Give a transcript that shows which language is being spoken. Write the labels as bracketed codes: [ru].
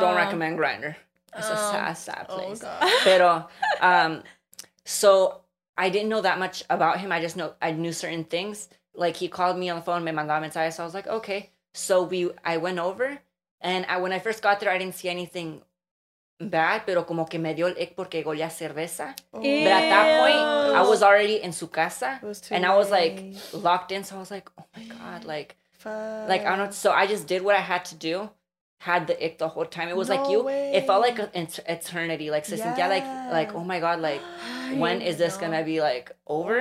[en] Don't recommend Grindr. It's a sad, sad place. Oh, God. Pero, So I didn't know that much about him. I just know I knew certain things. Like he called me on the phone, [es] me mandaba mensaje. [en] So I was like, okay. So I went over, and when I first got there, I didn't see anything bad. [es] Pero como que me dio el ick porque golía cerveza. [en] Ew. But at that point, I was already in [es] su casa, [en] and I was like locked in. So I was like, oh my God, like, fuck. Like I don't. So I just did what I had to do. Had the ick the whole time. It was no like you. Way. It felt like an eternity. Like, so yeah. like, oh my God, like, when is this gonna be like over?